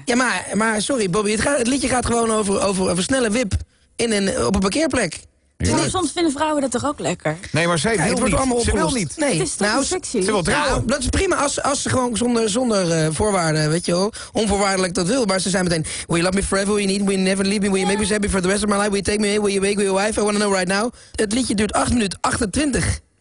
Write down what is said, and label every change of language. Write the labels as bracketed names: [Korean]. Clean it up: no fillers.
[Dutch] Ja, maar sorry Bobby, het liedje gaat gewoon over snelle wip op een parkeerplek. Ja. Maar soms vinden vrouwen dat toch ook lekker? Nee, maar zij wil niet. Allemaal ze wil niet. Nee. Het is toch sexy? Ze wil trouwen. Ja, dat is prima als ze gewoon zonder voorwaarden, weet je wel, onvoorwaardelijk dat wil. Maar ze zijn meteen, [English] will you love me forever, will you need me, will you never leave me, will you make me happy for the rest of my life, will you take me away, will you make me your wife, I wanna know right now. [Dutch] Het liedje duurt 8 minuten 28.